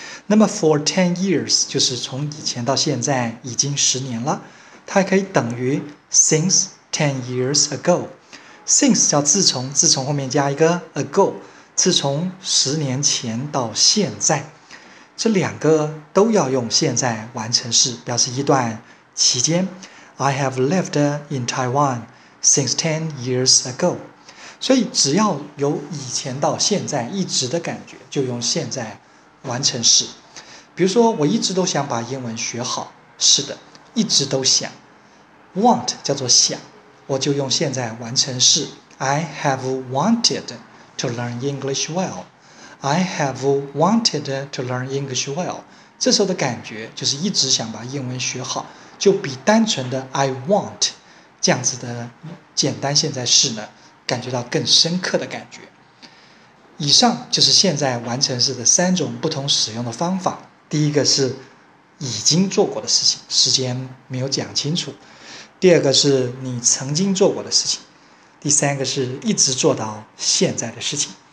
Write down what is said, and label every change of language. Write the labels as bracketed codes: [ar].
[zh] 那么 for 10 years 就是从以前到现在已经10年了，它还可以等于 since 10 years ago。 since 叫自从，自从后面加一个 ago，自从10年前到现在，这两个都要用现在完成式表示一段期间。 [en] I have lived in Taiwan since 10 years ago。 [zh] 所以只要有以前到现在一直的感觉，就用现在完成式。比如说，我一直都想把英文学好。是的，一直都想。 Want 叫做想，我就用现在完成式。 [en] I have wanted to learn English well. I have wanted to learn English well. [zh] 这时候的感觉就是一直想把英文学好，就比单纯的 I want 这样子的简单现在式呢，感觉到更深刻的感觉。以上就是现在完成式的三种不同使用的方法。第一个是已经做过的事情，时间没有讲清楚；第二个是你曾经做过的事情；第三个是一直做到现在的事情。